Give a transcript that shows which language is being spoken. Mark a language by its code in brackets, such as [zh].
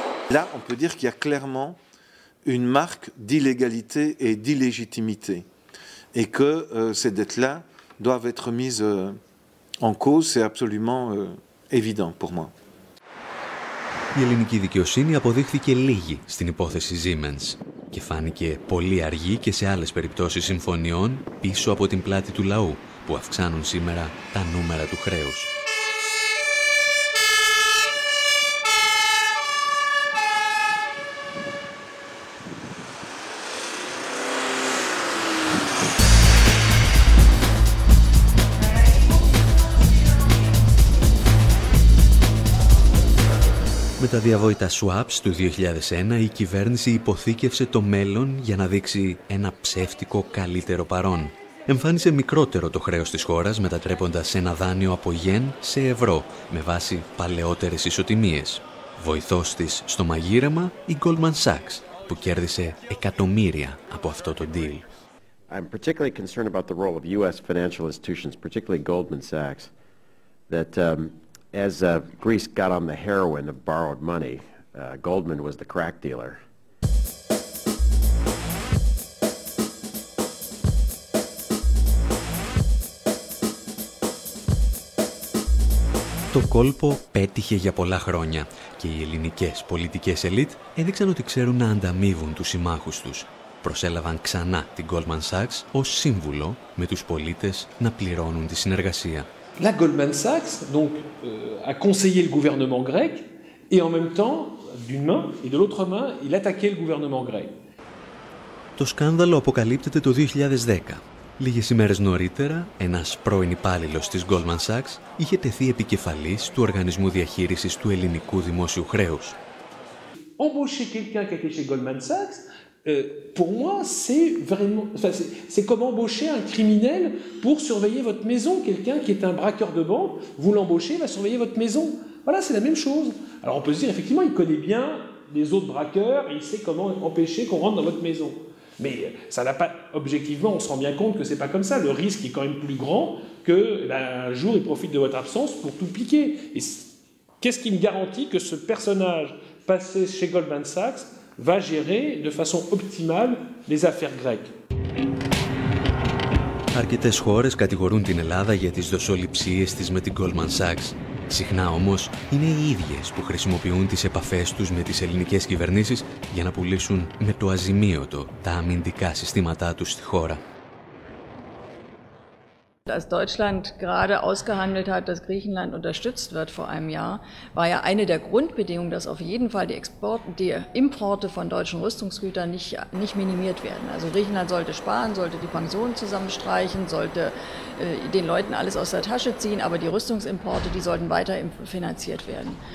[fr] Là, on peut dire qu'il y a clairement une marque d'illégalité et d'illégitimité et que ces dettes-là doivent être mises en cause, c'est absolument évident pour moi. [el] Η ελληνική δικαιοσύνη αποδείχθηκε λίγη στην υπόθεση Siemens και φάνηκε πολύ αργή και σε άλλες περιπτώσεις συμφωνιών πίσω από την πλάτη του λαού που αυξάνουν σήμερα τα νούμερα του χρέους. Με τα διαβόητα swaps του 2001, η κυβέρνηση υποθήκευσε το μέλλον για να δείξει ένα ψεύτικο καλύτερο παρόν. Εμφάνισε μικρότερο το χρέος της χώρας, μετατρέποντας ένα δάνειο από γεν σε ευρώ, με βάση παλαιότερες ισοτιμίες. Βοηθός της στο μαγείρεμα, η Goldman Sachs, που κέρδισε εκατομμύρια από αυτό το deal. [en] I'm particularly concerned about the role of U.S. financial institutions, particularly Goldman Sachs, that as Greece got on the heroin of borrowed money, Goldman was the crack dealer. [el] Το κόλπο πέτυχε για πολλά χρόνια και οι ελληνικές πολιτικές ελίτ έδειξαν ότι ξέρουν να ανταμείβουν τους συμμάχους τους. Προσέλαβαν ξανά την Goldman Sachs ως σύμβουλο με τους πολίτες να πληρώνουν τη συνεργασία. [fr] La Goldman Sachs donc a conseillé le gouvernement grec et en même temps d'une main et de l'autre main il attaquait le gouvernement grec. [el] Το σκάνδαλο αποκαλύπτεται το 2010. Λίγες ημέρες νωρίτερα, ένας πρώην υπάλληλος της Goldman Sachs είχε τεθεί επικεφαλής του Οργανισμού Διαχείρισης του Ελληνικού Δημόσιου Χρέους. [fr] Embaucher quelqu'un qui était chez Goldman Sachs, pour moi, c'est vraiment, enfin, c'est comme embaucher un criminel pour surveiller votre maison. Quelqu'un qui est un braqueur de banque, vous l'embauchez, va surveiller votre maison. Voilà, c'est la même chose. Alors on peut se dire, effectivement, il connaît bien les autres braqueurs, il sait comment empêcher qu'on rentre dans votre maison. Mais ça n'a pas, objectivement, on se rend bien compte que ce n'est pas comme ça. Le risque est quand même plus grand qu'un jour, il profite de votre absence pour tout piquer. Et qu'est-ce qui me garantit que ce personnage passé chez Goldman Sachs va gérer de façon optimale les affaires grecques ? [el] Αρκετές χώρες κατηγορούν την Ελλάδα για τις δοσοληψίες της με την Goldman Sachs. Συχνά όμως είναι οι ίδιες που χρησιμοποιούν τις επαφές τους με τις ελληνικές κυβερνήσεις για να πουλήσουν με το αζημίωτο τα αμυντικά συστήματά τους στη χώρα. [de] Dass Deutschland gerade ausgehandelt hat, dass Griechenland unterstützt wird vor einem Jahr, war ja eine der Grundbedingungen, dass auf jeden Fall die Exporte, die Importe von deutschen Rüstungsgütern nicht minimiert werden. Also Griechenland sollte sparen, sollte die Pensionen zusammenstreichen, sollte den Leuten alles aus der Tasche ziehen, aber die Rüstungsimporte, die sollten weiter finanziert werden.